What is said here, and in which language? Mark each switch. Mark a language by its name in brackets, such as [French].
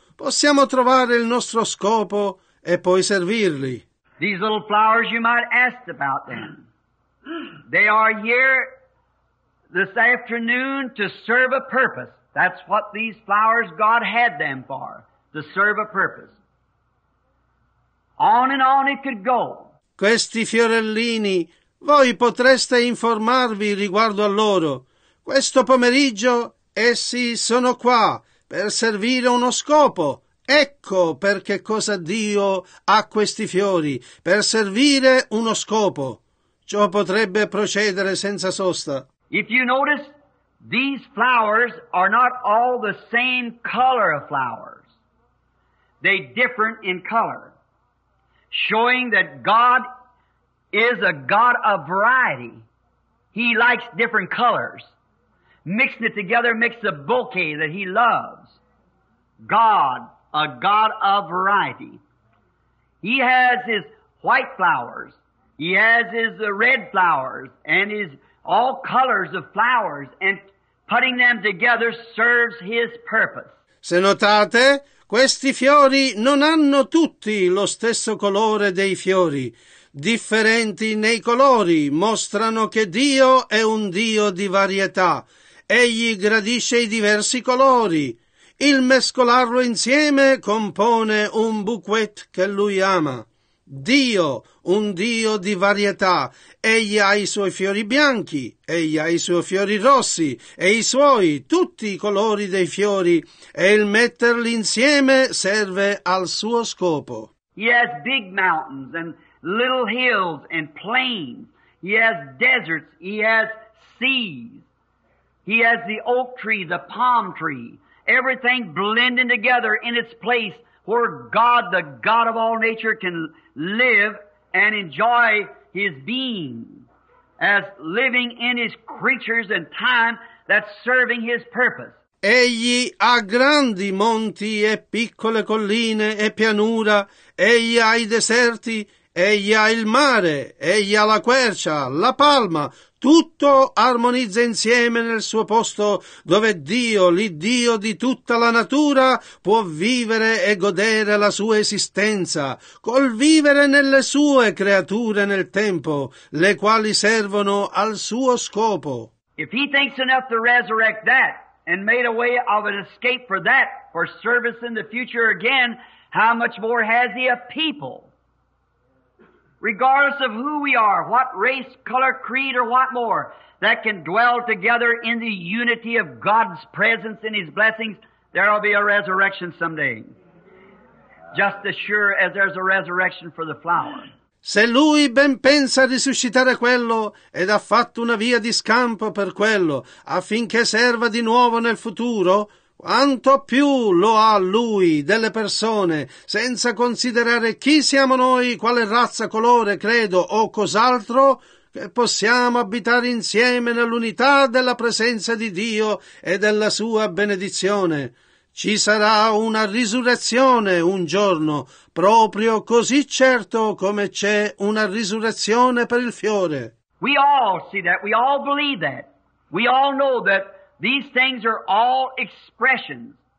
[Italian] Possiamo trovare il nostro scopo e poi servirli. [English] These little flowers you might ask about them. They are here this afternoon to serve a purpose. That's what these flowers God had them for, to serve a purpose. On and on it could go. [Italian] Questi fiorellini, voi potreste informarvi riguardo a loro. Questo pomeriggio essi sono qua per servire uno scopo. Ecco perché cosa Dio ha questi fiori, per servire uno scopo. Ciò potrebbe procedere senza sosta. [English] If you notice, these flowers are not all the same color of flowers. They differ in color, showing that God is a God of variety. He likes different colors. Mixing it together makes a bouquet that He loves. God, a God of variety. He has His white flowers. He has His red flowers and His all colors of flowers, and putting them together serves His purpose. [Italian] Se notate, questi fiori non hanno tutti lo stesso colore dei fiori. Differenti nei colori mostrano che Dio è un Dio di varietà. Egli gradisce i diversi colori. Il mescolarlo insieme compone un bouquet che Lui ama. Dio, un Dio di varietà, egli ha i suoi fiori bianchi, egli ha i suoi fiori rossi e i suoi, tutti i colori dei fiori, e il metterli insieme serve al suo scopo. [English] He has big mountains and little hills and plains. He has deserts, he has seas. He has the oak tree, the palm tree, everything blending together in its place where God, the God of all nature, can live and enjoy His being as living in His creatures and time that's serving His purpose. [Italian] Egli ha grandi monti e piccole colline e pianura, egli ha i deserti, egli ha il mare, egli ha la quercia, la palma, tutto armonizza insieme nel suo posto dove Dio, l'Iddio di tutta la natura, può vivere e godere la sua esistenza, col vivere nelle sue creature nel tempo, le quali servono al suo scopo. [English] If He thinks enough to resurrect that and made a way of an escape for that, for service in the future again, how much more has He a people? regardless of who we are, what race, color, creed, or what more, that can dwell together in the unity of God's presence and His blessings, there will be a resurrection someday. Just as sure as there's a resurrection for the flower. [Italian] Se lui ben pensa a risuscitare quello ed ha fatto una via di scampo per quello, affinché serva di nuovo nel futuro, quanto più lo ha lui delle persone, senza considerare chi siamo noi, quale razza, colore, credo o cos'altro, che possiamo abitare insieme nell'unità della presenza di Dio e della sua benedizione. Ci sarà una risurrezione un giorno, proprio così certo come c'è una risurrezione per il fiore. [English] We all see that, we all believe that. We all know that these things are all expressions.